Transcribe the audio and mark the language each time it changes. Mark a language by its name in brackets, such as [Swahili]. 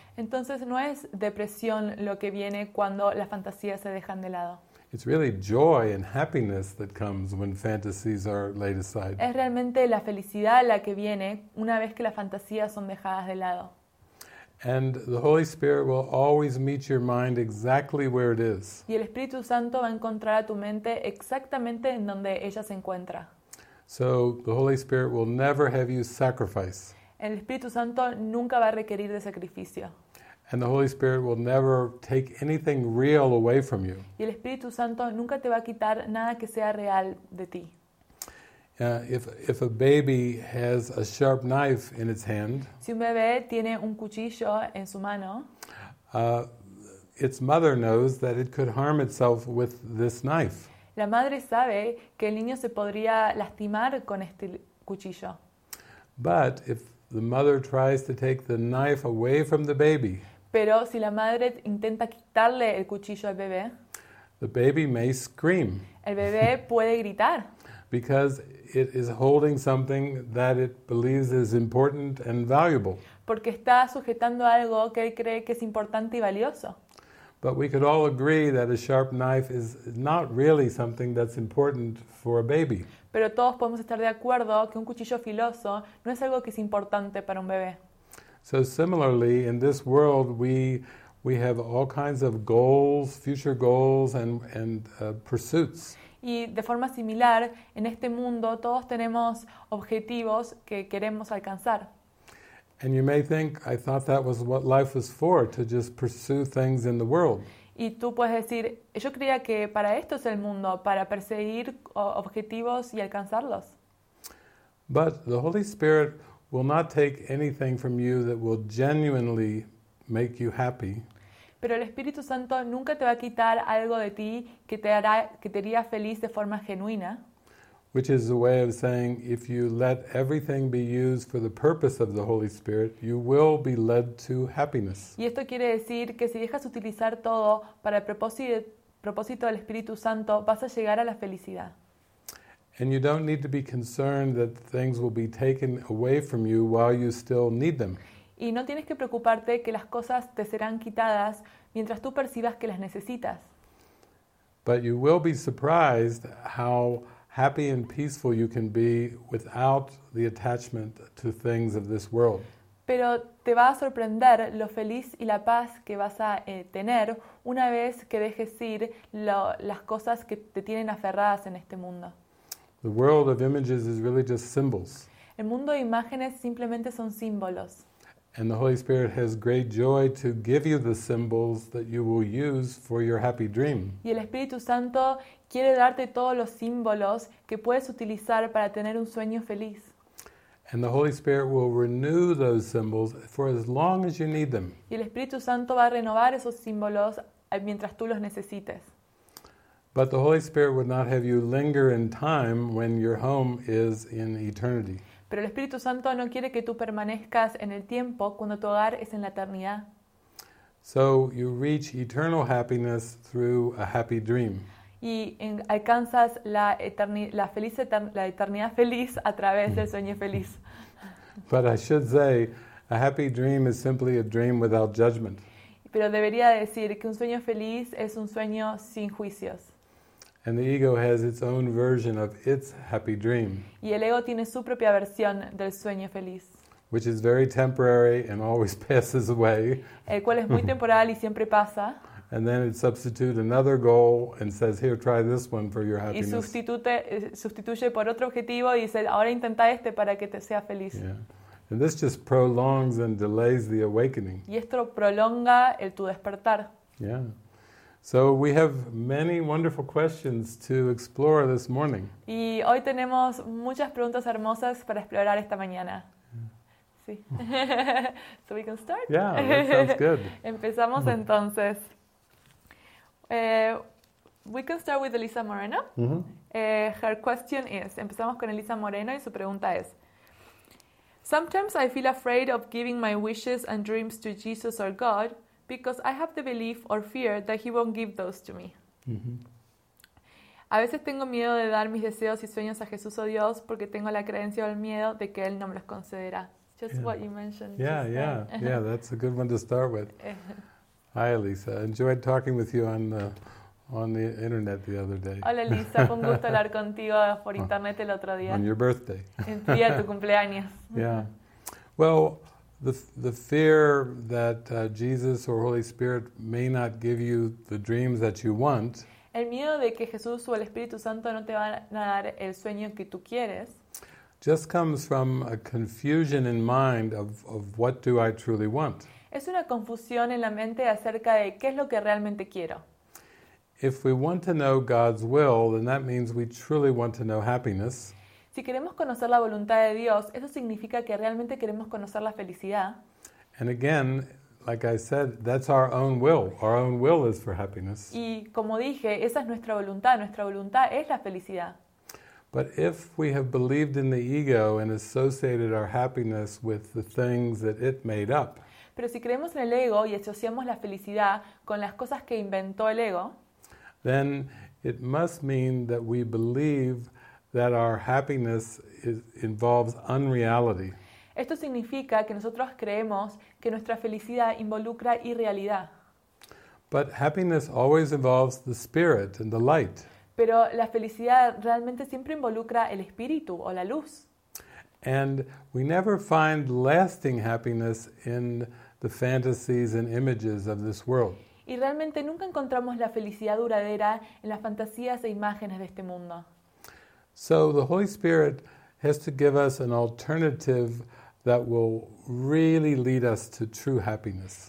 [Spanish] Entonces no es depresión lo que viene cuando las fantasías se dejan de lado. [English] It's really joy and happiness that comes when fantasies are laid aside. [Spanish] Es realmente la felicidad la que viene una vez que las fantasías son dejadas de lado. [English] And the Holy Spirit will always meet your mind exactly where it is. [Spanish] Y el Espíritu Santo va a encontrar a tu mente exactamente en donde ella se encuentra. [English] So the Holy Spirit will never have you sacrifice. [Spanish] El Espíritu Santo nunca va a requerir de sacrificio. [English] And the Holy Spirit will never take anything real away from you. [Spanish] Y el Espíritu Santo nunca te va a quitar nada que sea real de ti. [English] If a baby has a sharp knife in its hand, [Spanish] si un bebé tiene un cuchillo en su mano, [English] its mother knows that it could harm itself with this knife. [Spanish] La madre sabe que el niño se podría lastimar con este cuchillo. [English] But if the mother tries to take the knife away from the baby, [Spanish] pero si la madre intenta quitarle el cuchillo al bebé, [English] the baby may scream. [Spanish] El bebé puede gritar. [English] Because it is holding something that it believes is important and valuable. [Spanish] Porque está sujetando algo que él cree que es importante y valioso. [English] But we could all agree that a sharp knife is not really something that's important for a baby. [Spanish] Pero todos podemos estar de acuerdo que un cuchillo filoso no es algo que es importante para un bebé. [English] So similarly, in this world, we have all kinds of goals, future goals, and pursuits. [Spanish] Y de forma similar, en este mundo todos tenemos objetivos que queremos alcanzar. [English] And you may think, I thought that was what life was for, to just pursue things in the world. [Spanish] Y tú puedes decir, yo creía que para esto es el mundo, para perseguir objetivos y alcanzarlos. [English] But the Holy Spirit will not take anything from you that will genuinely make you happy. [Spanish] Pero el Espíritu Santo nunca te va a quitar algo de ti que te haría feliz de forma genuina. [English] Which is a way of saying, if you let everything be used for the purpose of the Holy Spirit, you will be led to happiness. [Spanish] Y esto quiere decir que si dejas utilizar todo para el propósito del Espíritu Santo, vas a llegar a la felicidad. [English] And you don't need to be concerned that things will be taken away from you while you still need them. [Spanish] Y no tienes que preocuparte que las cosas te serán quitadas mientras tú percibas que las necesitas. [English] But you will be surprised how happy and peaceful you can be without the attachment to things of this world. [Spanish] Pero te va a sorprender lo feliz y la paz que vas a tener una vez que dejes ir las cosas que te tienen aferradas en este mundo. [English] The world of images is really just symbols. [Spanish] El mundo de imágenes simplemente son símbolos. [English] And the Holy Spirit has great joy to give you the symbols that you will use for your happy dream. [Spanish] Y el Espíritu Santo quiere darte todos los símbolos que puedes utilizar para tener un sueño feliz. [English] And the Holy Spirit will renew those symbols for as long as you need them. [Spanish] Y el Espíritu Santo va a renovar esos símbolos mientras tú los necesites. [English] But the Holy Spirit would not have you linger in time when your home is in eternity. [Spanish] Pero el Espíritu Santo no quiere que tú permanezcas en el tiempo cuando tu hogar es en la eternidad. [English] So you reach eternal happiness through a happy dream. [Spanish] Y alcanzas la eternidad feliz a través del sueño feliz. [English] But I should say, a happy dream is simply a dream without judgment. [Spanish] Pero debería decir que un sueño feliz es un sueño sin juicios. [English] And the ego has its own version of its happy dream. [Spanish] Y el ego tiene su propia versión del sueño feliz. [English] Which is very temporary and always passes away. [Spanish] El cual es muy temporal y siempre pasa. [English] And then it substitutes another goal and says, "Here, try this one for your happiness." [Spanish] Y sustituye por otro objetivo y dice, "Ahora intenta este para que te sea feliz." [English] Yeah. And this just prolongs and delays the awakening. [Spanish] Y esto prolonga el tu despertar. Yeah. [English] So we have many wonderful questions to explore this morning. [Spanish] Y hoy tenemos muchas preguntas hermosas para explorar esta mañana. [English] Sí. So we can start? Yeah, that sounds good. [Spanish] Empezamos entonces. [English] We can start with Elisa Moreno. Mm-hmm. Her question is, [Spanish] empezamos con Elisa Moreno y su pregunta es, [English] sometimes I feel afraid of giving my wishes and dreams to Jesus or God, because I have the belief or fear that he won't give those to me. Mm-hmm. [Spanish] A veces tengo miedo de dar mis deseos y sueños a Jesús o Dios porque tengo la creencia o el miedo de que él no me los concederá. [English] Just yeah. What you mentioned. Yeah, yeah, yeah, that's a good one to start with. Hi, Elisa. Enjoyed talking with you on the internet the other day. [Spanish] Hola, Elisa. Fue un gusto hablar contigo por internet el otro día. [English] On your birthday. [Spanish] El día de tu cumpleaños. Yeah. [English] Well, the fear that Jesus or Holy Spirit may not give you the dreams that you want. [Spanish] El miedo de que Jesús o el Espíritu Santo no te van a dar el sueño que tú quieres. [English] Just comes from a confusion in mind of what do I truly want. [Spanish] Es una confusión en la mente acerca de qué es lo que realmente quiero. [English] If we want to know God's will, then that means we truly want to know happiness. [Spanish] Si queremos conocer la voluntad de Dios, eso significa que realmente queremos conocer la felicidad. [English] And again, like I said, that's our own will. Our own will is for happiness. [Spanish] Y como dije, esa es nuestra voluntad. Nuestra voluntad es la felicidad. [English] But if we have believed in the ego and associated our happiness with the things that it made up. [Spanish] Pero si creemos en el ego y asociamos la felicidad con las cosas que inventó el ego. [English] Then it must mean that we believe that our happiness involves unreality. [Spanish] Esto significa que nosotros creemos que nuestra felicidad involucra irrealidad. [English] But happiness always involves the spirit and the light. [Spanish] Pero la felicidad realmente siempre involucra el espíritu o la luz. [English] And we never find lasting happiness in the fantasies and images of this world. [Spanish] Y realmente nunca encontramos la felicidad duradera en las fantasías e imágenes de este mundo. [English] So the Holy Spirit has to give us an alternative that will really lead us to true happiness.